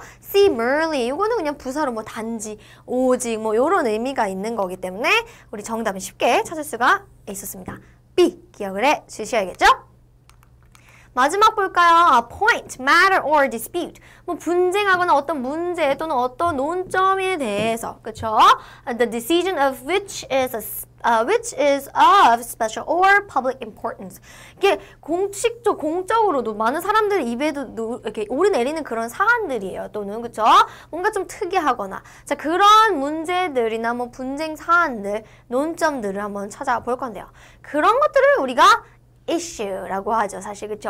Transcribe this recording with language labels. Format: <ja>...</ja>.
<ko>C, merely, 이거는 그냥 부사로 뭐 단지, 오직 뭐 이런 의미가 있는 거기 때문에 우리 정답은 쉽게 찾을 수가 있었습니다. B, 기억을 해 주셔야겠죠? 마지막 볼까요?</ko> <en>A point, matter or dispute.</en> <ko>뭐 분쟁하거나 어떤 문제 또는 어떤 논점에 대해서, 그렇죠?</ko> <en>The decision of which is of special or public importance.</en> <ko>이게 공식적 공적으로도 많은 사람들 입에도 이렇게 오르내리는 그런 사안들이에요. 또는 그렇죠? 뭔가 좀 특이하거나 자 그런 문제들이나 뭐 분쟁 사안들, 논점들을 한번 찾아볼 건데요. 그런 것들을 우리가 issue라고 하죠. 사실 그렇죠.</ko>